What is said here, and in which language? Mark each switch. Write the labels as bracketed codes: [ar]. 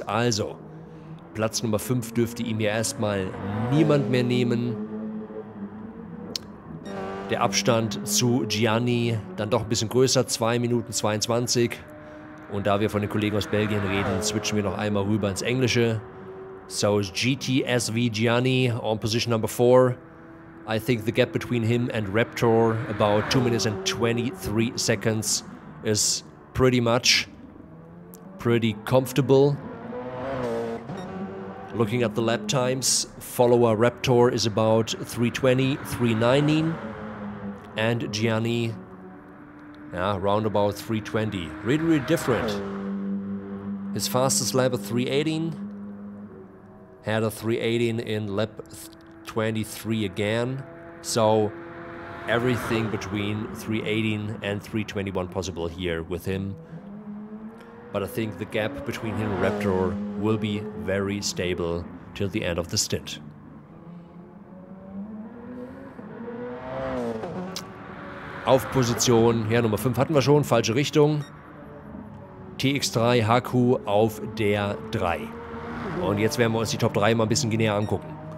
[de] Also Platz Nummer 5 dürfte ihm ja erstmal niemand mehr nehmen. Der Abstand zu Gianni dann doch ein bisschen größer, 2 Minuten 22. Und da wir von den Kollegen aus Belgien reden, switchen wir noch einmal rüber ins Englische. [en] So is GTSV Gianni on position number 4. I think the gap between him and Raptor, about 2 minutes and 23 seconds, is pretty much, pretty comfortable. Looking at the lap times, follower Raptor is about 320, 319. And Gianni, around about 320. Really, really different. His fastest lap at 318. Had a 318 in lap 23 again. So everything between 318 and 321 possible here with him. But I think the gap between him and Raptor will be very stable till the end of the stint. [de] Auf Position, Nummer 5 hatten wir schon, falsche Richtung. TX3 HQ auf der 3. Und jetzt werden wir uns die Top 3 mal ein bisschen näher angucken.